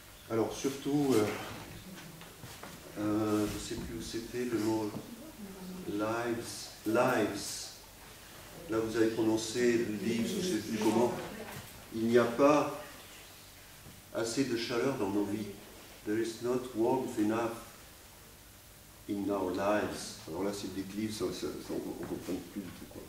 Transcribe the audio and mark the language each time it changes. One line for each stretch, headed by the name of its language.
French: Alors, surtout, je ne sais plus où c'était, le mot lives. Là, vous avez prononcé lives ou je ne sais plus comment. Il n'y a pas assez de chaleur dans nos vies.
English: There is not warmth enough in our lives.
French: Alors là, c'est des lives, ça on ne comprend plus du tout.